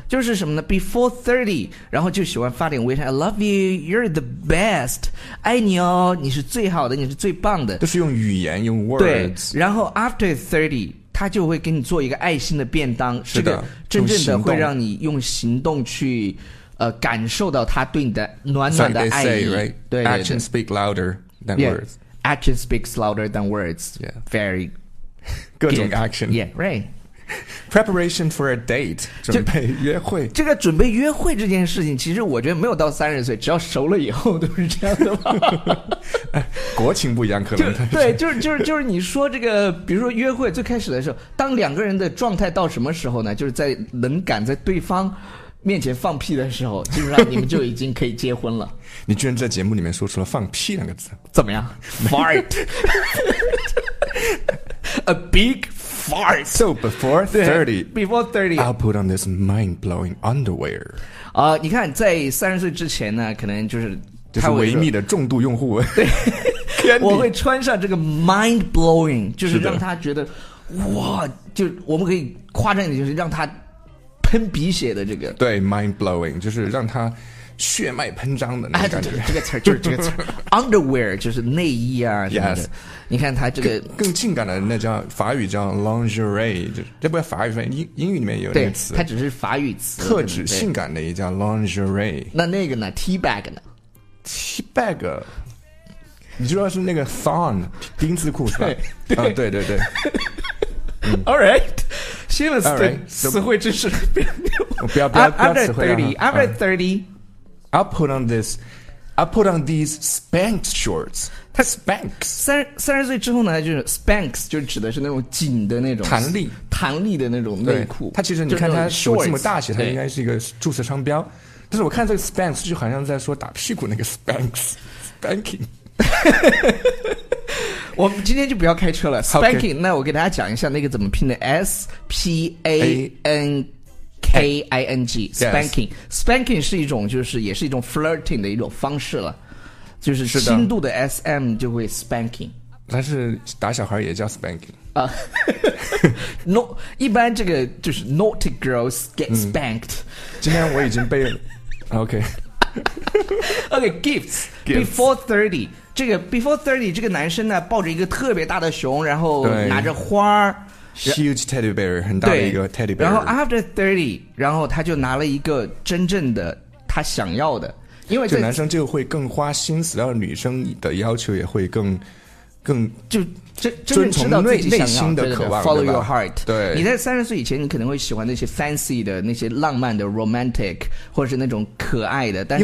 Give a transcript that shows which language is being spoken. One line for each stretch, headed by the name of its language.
Chinese: 就是什么呢， Before 30, 然后就喜欢发点微信，
English: I love you, you're the best,
Chinese: 爱你哦，你是最好的，你是最棒的，都是用语言，用 words。对，然后 After 30, 他就会给你做一个爱心的便当。是的，真正的会让你用行动去感受到他对你的暖暖的爱意。
English: Like they say, right?
Chinese: 对对对，
English: Action speak louder than words. Yeah, action speaks louder than words. Yeah. Very
Chinese: good. 各种 action.
English: Yeah, right. Preparation for a date,
Chinese: 准备约会。这个准备约会这件事情，其实我觉得没有到三十岁，只要熟了以后都是这样的吧。国情不一样，可能就对，就是你说这个，比如说约会最开始的时候，当两个人的状态到什么时候呢？就是在能赶在对方面前放屁的时候，基本上你们就已经可以结婚了。你居然在节目里面说出了放屁两个字，怎么样
English: ？Fart, a big fart. So before 30, before 30, I'll put on this mind-blowing underwear.
Chinese: 啊，你看，在三十岁之前呢，可能就是维密的重度用户。对，我会穿上这个
English: mind-blowing,
Chinese: 就是让他觉得哇，就我们可以夸张一点，就是让他喷鼻血的这个，对 ，mind blowing, 就是让他血脉喷张的那种感觉、啊、这个词就是这个词underwear 就是内衣啊什么的、
English: yes.
Chinese: 你看他这个更性感的那叫法语叫 lingerie 就这不是法语英语里面有那个词它只是法语词特指性感的也叫 lingerie 那个呢 teabag 呢 teabag 你知道是那个 thong 丁字裤是吧对,、啊、对对对 Alright, Sheila's 的词汇知识不要词汇
English: 啊 I'll put on these Spanx shorts Spanx
Chinese: 三十岁之后呢就是 Spanx 就指的是那种紧的那种弹力的那种内裤它其实你看它手这么大写它应该是一个注册商标但是我看这个 Spanx 就好像在说打屁股那个 Spanx Spanking 我们今天就不要开车了 Spanking、
English: okay.
Chinese: 那我给大家讲一下那个怎么拼的 S-P-A-N-K-I-N-G Spanking、
English: yes.
Chinese: Spanking 是一种就是也是一种 flirting 的一种方式了就是轻度的 SM 就会 Spanking 是但是打小孩也叫 Spanking、
English: no, 一般这个就是 naughty girls get spanked、
Chinese: 嗯、今天我已经被OK OK gifts Before 30这个
English: before 30
Chinese: 这个男生呢抱着一个特别大的熊然后拿着花
English: huge teddy bear
Chinese: 很大的一个 teddy bear 然后
English: after 30
Chinese: 然后他就拿了一个真正的他想要的因为这男生就会更花心思然后女生的要求也会更就遵从内心的渴望
English: follow your heart
Chinese: 对你在30岁以前你可能会喜欢那些 fancy 的那些浪漫的 romantic 或者是那种可爱的但是